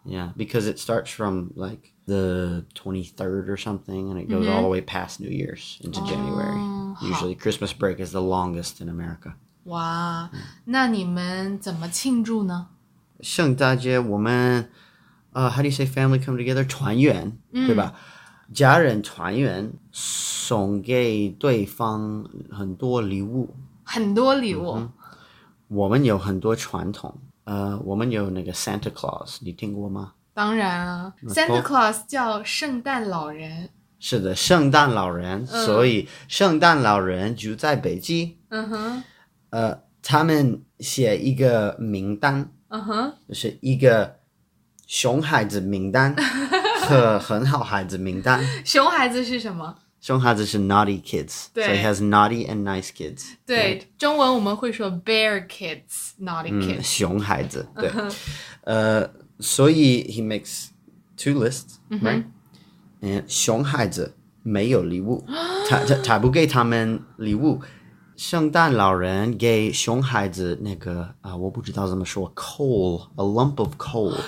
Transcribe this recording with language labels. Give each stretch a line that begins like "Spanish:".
English: Yeah, because it starts from like the 23rd or something, and it goes、all the way past New Year's into January.、Usually Christmas break is the longest in America.
Chinese: 哇、那你们怎么庆祝呢？圣诞节我们、
English: how do you say family come together?
Chinese: 团圆、对吧？家人团圆送给对方很多礼物。很多礼物、我们有很多传统我们有那个 Santa Claus 你听过吗当然啊 Santa Claus 叫圣诞老人是的圣诞老人、所以圣诞老人住在北极、他们写一个名单、就是一个熊孩子名单和很好孩子名单熊孩子是什么熊孩子是
English: naughty kids, so he has naughty and nice kids.
Chinese: 对、right? 中文我们会说
English: bear kids, naughty kids.、
Chinese: 熊孩子对、所以
English: he makes two lists,、right?
Chinese: And 熊孩子没有礼物他不给他们礼物圣诞老人给熊孩子那个、我不知道怎么说
English: coal, a lump of coal.